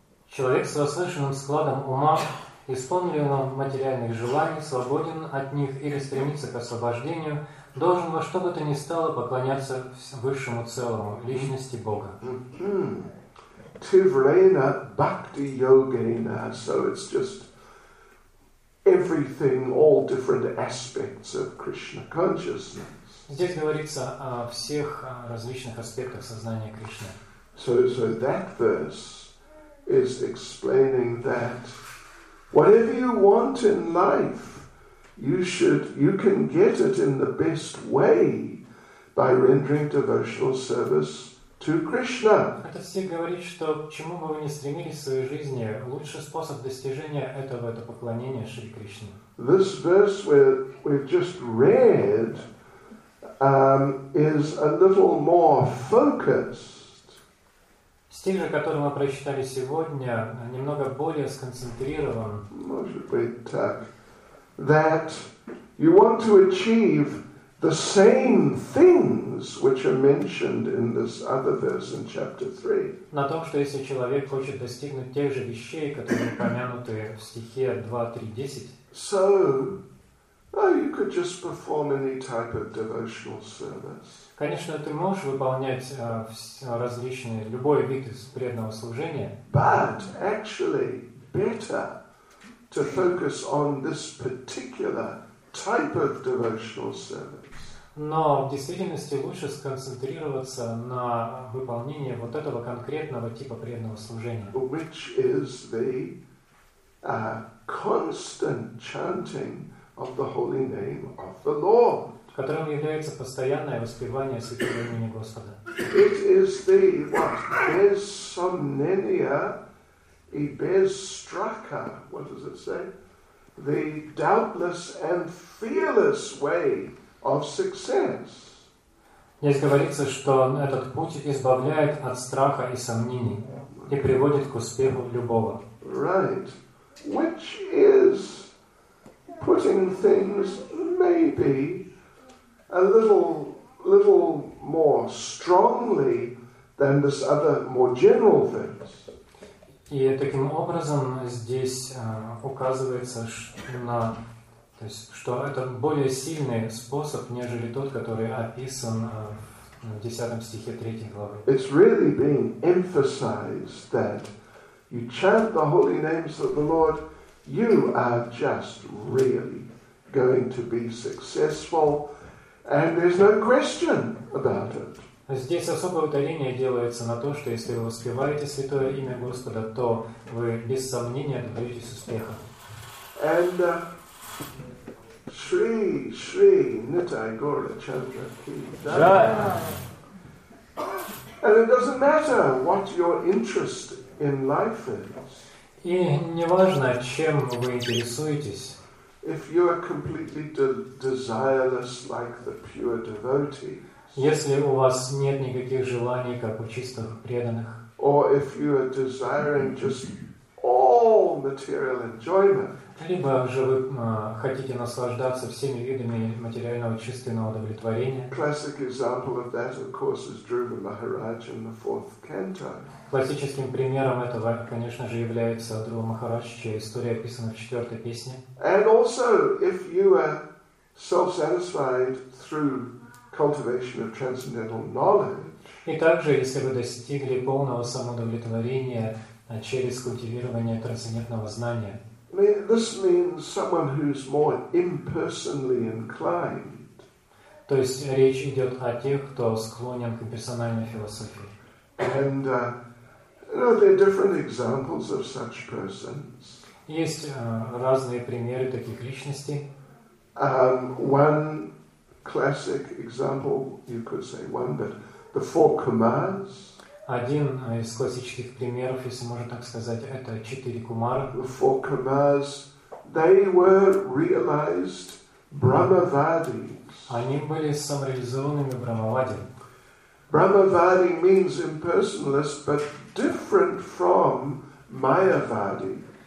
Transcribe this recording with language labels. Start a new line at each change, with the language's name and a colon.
Russian: человек с возвышенным складом ума, исполненным материальных желаний, свободен от них или стремится к освобождению, должен во что бы то ни стало поклоняться высшему целому, личности Бога.
Sanskrit: Тиврена бхакти йогена,
English: so it's just everything, all different aspects of Krishna consciousness.
Russian: Здесь говорится о всех различных аспектах сознания Кришны.
English: So that verse is explaining that whatever you want in life, you can get it in the best way by rendering devotional service to Krishna.
Russian: Это стих говорит, что к чему бы вы ни стремились в своей жизни, лучший способ достижения этого — это поклонение Шри Кришне.
English: This verse we've just read is a little more focused.
Russian: Стих же, который мы прочитали сегодня, немного более сконцентрирован. Может быть так.
English: That you want to achieve the same things which are mentioned in this other verse in chapter 3.
Russian: На том, что если человек хочет достигнуть тех же вещей, которые упомянуты в стихе 2.3.10.
English: So, you could just perform any type of devotional service.
Russian: Конечно, ты можешь выполнять различные, любой вид из преданного служения.
English: But actually, better to focus on this particular type of devotional service.
Russian: Но в действительности лучше сконцентрироваться на выполнении вот этого конкретного типа преданного служения.
English: Which is the constant chanting of the holy name of the Lord.
Russian: Которым является постоянное воспевание святого имени Господа.
English: It is the what?
Russian: Безсомнения и безстрака.
English: What does it say? The doubtless and fearless way of success.
Russian: Здесь говорится, что этот путь избавляет от страха и сомнений и приводит к успеху любого.
English: Right. Which is putting things maybe a little more strongly than this other more general verse.
Russian: И таким образом здесь указывается, что это более сильный способ, нежели тот, который описан в 10 стихе 3 главы.
English: It's really being emphasized that you chant the holy names of the Lord, you are just really going to be successful. And there's no question about it.
Russian: Здесь особое ударение делается на то, что если вы воспеваете святое имя Господа, то вы без сомнения добьетесь успеха.
English: And Shri Nitai Gaura Chandra Ki. Jai. And it doesn't matter what your interest in life is.
Russian: И не важно, чем вы интересуетесь.
English: If you are completely desireless like the pure devotees.
Russian: Если у вас нет никаких желаний, как у чистых преданных.
English: Or if you are desiring just all material enjoyment.
Russian: Либо же вы хотите наслаждаться всеми видами материального чувственного удовлетворения.
English: Classic example of that, of course, is Dhruva Maharaj in the fourth canto.
Russian: Классическим примером этого, конечно же, является Друва Махарадж, чья история описана в четвертой песне.
English: And also, if you are self-satisfied through cultivation of transcendental knowledge.
Russian: И также, если вы достигли полного самоудовлетворения через культивирование трансцендентного знания.
English: This means someone who's more impersonally inclined.
Russian: То есть речь идет о тех, кто склонен к имперсональной философии.
English: And there are different examples of such persons.
Russian: Есть разные примеры таких личностей.
English: One classic example, you could say one, but the four kumars.
Russian: Один из классических примеров, если можно так сказать, это четыре кумара.
English: The four kumars, they were realized brahmavadis.
Russian: Они были самореализованными брахмавади.
English: Brahmavadi means impersonalist, but different from mayavadi.